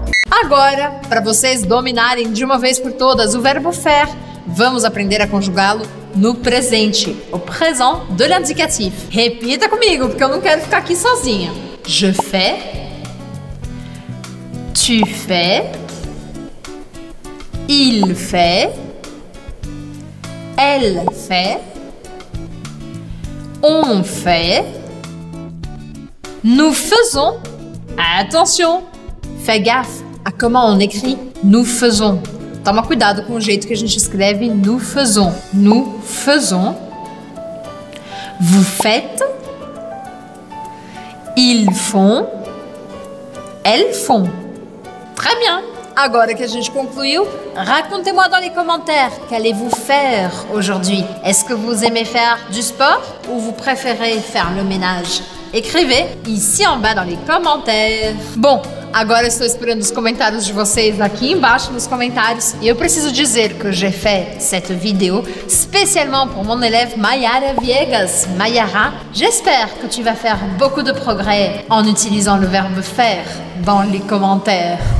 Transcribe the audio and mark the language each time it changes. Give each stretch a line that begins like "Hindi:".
Portuguese: Agora, para vocês dominarem de uma vez por todas o verbo faire, vamos aprender a conjugá-lo no presente, o
French: présent de l'indicatif.
Portuguese: Repita comigo, porque eu não quero ficar aqui sozinha.
French: Je fais, tu fais, il fait, elle fait, on fait, nous faisons. Attention, fais gaffe à comment on écrit nous faisons.
Portuguese: Toma cuidado com o jeito que a gente escreve
French: nous faisons. Nous faisons. Vous faites. Ils font. Elles font. Très bien.
Portuguese: Agora que a gente concluiu,
French: racontez-moi dans les commentaires qu'allez-vous faire aujourd'hui. Est-ce que vous aimez faire du sport ou vous préférez faire le ménage? Écrivez ici en bas dans les commentaires. Bon.
Portuguese: Agora estou esperando os comentários de vocês aqui embaixo nos comentários. E eu preciso dizer que
French: j'ai fait cette vidéo
Portuguese: especialmente
French: pour mon élève Mayara Viegas. Mayara, j'espère que tu vas faire beaucoup de progrès en utilisant le verbe faire dans les commentaires.